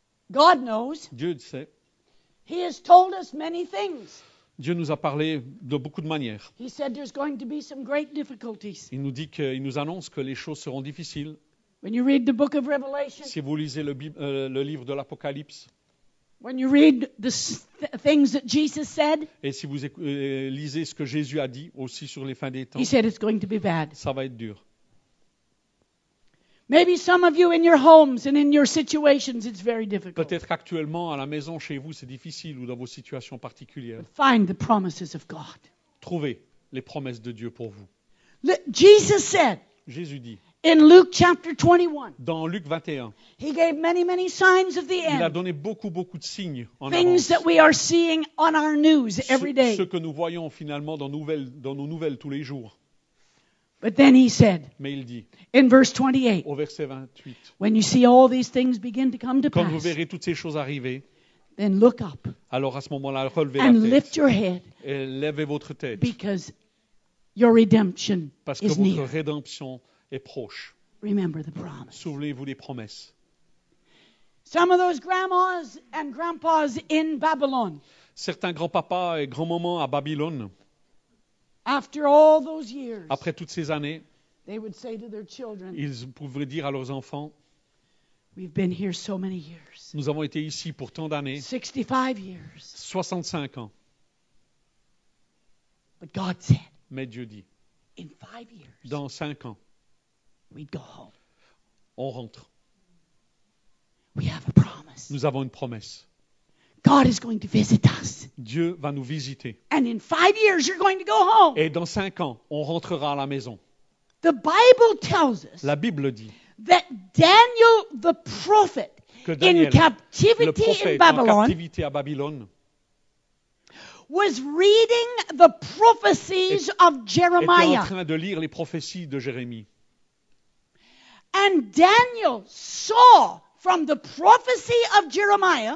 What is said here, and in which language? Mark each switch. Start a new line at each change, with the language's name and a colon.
English: God knows.
French: Dieu sait.
English: He has told us many things.
French: Dieu nous a parlé de beaucoup de manières.
English: He said there's going to be some great difficulties.
French: Il nous dit qu'il nous annonce que les choses seront difficiles.
English: When you read the book of Revelation,
French: si vous lisez le livre de l'Apocalypse,
English: when you read the things that Jesus said,
French: et si vous lisez ce que Jésus a dit aussi sur les fins des temps,
English: he said it's going to be bad.
French: Ça va être dur.
English: Maybe some of you in your homes and in your situations, it's very difficult.
French: Peut-être qu'actuellement, à la maison, chez vous, c'est difficile ou dans vos situations particulières.
English: But find the promises of God.
French: Trouvez les promesses de Dieu pour vous.
English: Jesus said.
French: Jésus dit.
English: In Luke chapter 21.
French: Dans Luc 21.
English: He gave many, many signs of the end.
French: Il a donné beaucoup, beaucoup de signes en avance.
English: Things that we are seeing on our news every day.
French: Ce que nous voyons finalement dans nos nouvelles tous les jours.
English: But then he said,
French: mais il dit,
English: in verse 28,
French: au verset 28,
English: when you see all these things begin to come to
French: quand
English: pass,
French: vous verrez toutes ces choses arriver,
English: then look up,
French: alors à ce moment-là, relevez
English: and
French: la tête,
English: lift your head,
French: et levez votre tête,
English: because your redemption
French: parce que
English: is
French: votre
English: near.
French: Rédemption est proche.
English: Remember the promise.
French: Souvenez-vous des promesses.
English: Some of those grandmas and grandpas in Babylon,
French: certains grands-papas et grands-mamans à Babylone,
English: after all those years,
French: après toutes ces années,
English: they would say to their children,
French: ils pourraient dire à leurs enfants,
English: we've been here so many years.
French: Nous avons été ici pour tant d'années,
English: 65, years.
French: 65 ans.
English: But God said,
French: mais Dieu dit,
English: in 5 years,
French: dans 5 ans,
English: we'd go home.
French: On rentre.
English: We have a promise.
French: Nous avons une promesse.
English: God is going to visit us.
French: Dieu va nous visiter.
English: And in 5 years, you're going to go home.
French: Et dans 5 ans, on rentrera à la maison.
English: The Bible tells us,
French: la Bible dit,
English: that Daniel, the prophet,
French: que Daniel,
English: in captivity,
French: le prophète,
English: in Babylon,
French: en captivité à Babylone,
English: was reading the prophecies of Jeremiah.
French: Était en train de lire les prophéties de Jérémie.
English: And Daniel saw from the prophecy of Jeremiah.